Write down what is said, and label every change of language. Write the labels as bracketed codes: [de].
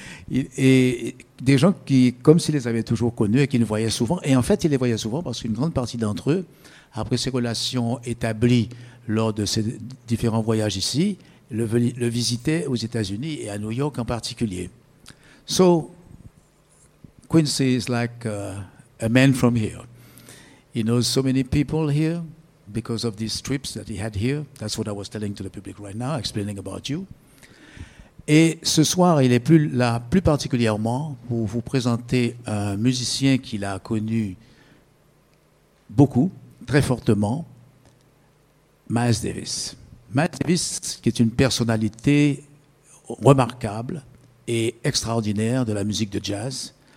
[fr] Et des gens qui, comme s'il les avait toujours connus et qu'il les voyait souvent. Et en fait, il les voyait souvent parce qu'une grande partie d'entre eux, après ces relations établies lors de ces différents voyages ici, le visitaient aux États-Unis et à New York en particulier. [en] Quincy is like a man from here. He knows so many people here because of these trips that he had here. That's what I was telling to the public right now, explaining about you. [fr] Et ce soir, il est plus là, plus particulièrement, pour vous présenter un musicien qu'il a connu beaucoup, très fortement, Miles Davis. Miles Davis, qui est une personnalité remarquable et extraordinaire de la musique de jazz.